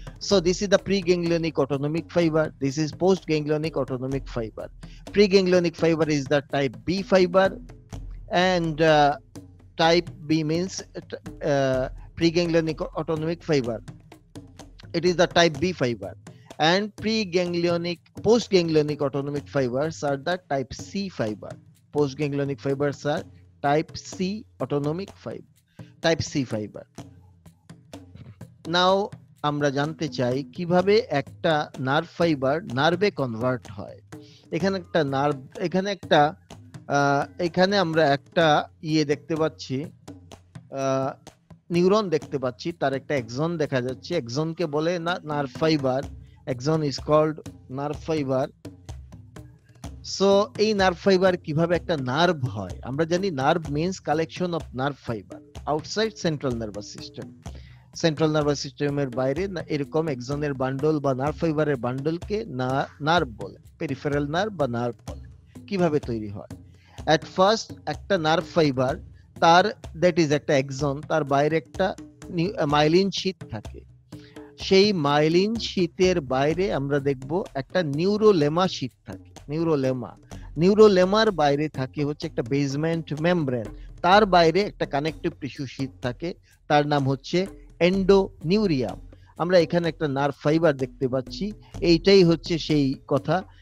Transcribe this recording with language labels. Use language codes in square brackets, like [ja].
[en] So this is the pre ganglionic autonomic fibre, this is post ganglionic autonomic fibre. Pre ganglionic fibre is the type B fibre, and type B means pre ganglionic autonomic fibre, it is the type B fibre. And pre-ganglionic, post-ganglionic autonomic fibers are the type C fiber. Post-ganglionic fibers are type C autonomic fiber, type C fiber. [bn] Now, আমরা জানতে চাই কিভাবে একটা nerve fiber nerve convert হয়। এখানে একটা nerve, এখানে একটা, এখানে আমরা একটা দেখতে পাচ্ছি, neuron দেখতে পাচ্ছি, তার একটা axon দেখা যাচ্ছে, axon কে বলে nerve fiber. [en] Axon is called nerve fiber. [bn] So, এই nerve fiber কিভাবে একটা nerve হয়? আমরা জানি [en] nerve means collection of nerve fiber outside central nervous system. [bn] Central nervous system এর বাইরে এরকম axon এর bundle বা nerve fiber এর bundle কে nerve বলে, peripheral nerve বা nerve বলে। কিভাবে তৈরি হয়? At first, একটা nerve fiber, তার that is একটা axon, তার বাইরে একটা myelin sheath থাকে। সেই মায়েলিন শীতের বাইরে আমরা দেখব একটা নিউরোলেমা শীত থাকে, নিউরোলেমা। নিউরোলেমার বাইরে থাকে হচ্ছে একটা বেজমেন্ট মেমব্রেন, তার বাইরে একটা কানেকটিভ টিস্যু শীত থাকে, তার নাম হচ্ছে এন্ডোনিউরিয়াম। আমরা এখানে একটা নার্ভ ফাইবার দেখতে পাচ্ছি, এইটাই হচ্ছে সেই কথা।